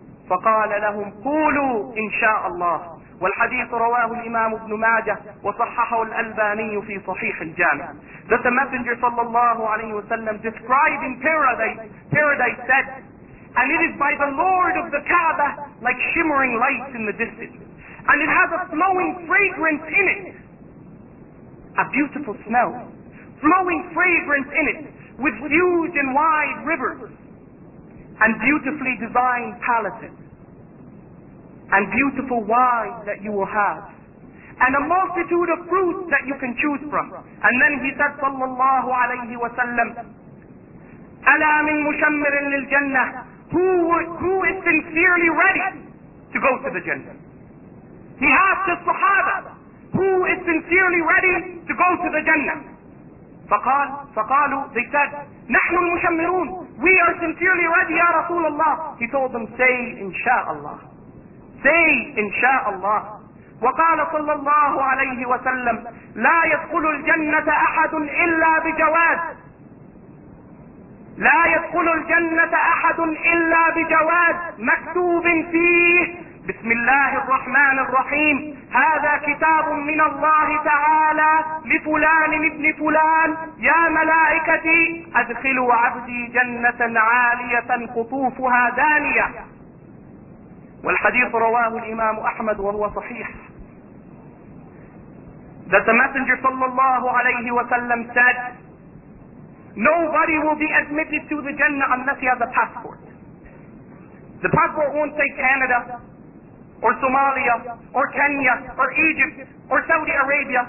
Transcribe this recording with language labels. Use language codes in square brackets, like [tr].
[ar] فقال لهم قولوا إن شاء الله. والحديث رواه الإمام ابن ماجه وصححه الألباني في صحيح الجامع. [en] That the Messenger [ar] صلى الله عليه وسلم [en] describing paradise said, and it is by the Lord of the Kaaba like shimmering lights in the distance, and it has a flowing fragrance in it, a beautiful smell, flowing fragrance in it, with huge and wide rivers, and beautifully designed palaces, and beautiful wives that you will have, and a multitude of fruits that you can choose from. And then he said, [ar] صلى الله عليه وسلم, ألا من مشمر للجنة, [en] who is sincerely ready to go to the Jannah? He asked the Sahaba, who is sincerely ready to go to the Jannah? [ar] فقالوا, [en] they said, [ar] نحن المشمرون, [en] we are sincerely ready, [ar] يا رسول الله. [en] He told them, say, inshaAllah. Say, inshaAllah. [ar] وقال صلى الله عليه وسلم, لا يدخل الجنة أحد إلا بجواز. لا يدخل الجنة أحد إلا بجواد مكتوب فيه بسم الله الرحمن الرحيم هذا كتاب من الله تعالى لفلان ابن فلان يا ملائكتي أدخلوا عبدي جنة عالية قطوفها دانية. والحديث رواه الإمام أحمد وهو صحيح. [en] That the Messenger [ar] صلى الله عليه وسلم [en] said, nobody will be admitted to the Jannah unless he has a passport. The passport won't say Canada, or Somalia, or Kenya, or Egypt, or Saudi Arabia.